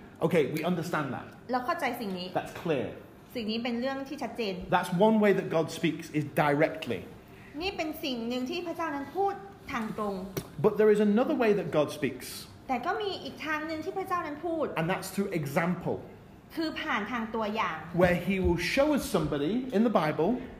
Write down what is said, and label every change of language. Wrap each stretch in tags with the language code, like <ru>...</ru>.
<en>Okay we understand that</en> <th>เราเข้าใจสิ่งนี้</th> <en>That's clear</en> <th>สิ่งนี้เป็นเรื่องที่ชัดเจน</th> <en>That's one way that God speaks is directly</en> <th>นี่เป็นสิ่งหนึ่งที่พระเจ้านั้นพูดทางตรง</th> <en>But there is another way that God speaks</en> <th>แต่ก็มีอีกทางนึงที่พระเจ้านั้นพูด</th> <en>And that's through example</en> <th>คือผ่านทางตัวอย่าง</th> <en>Where he will show us somebody in the Bible</en>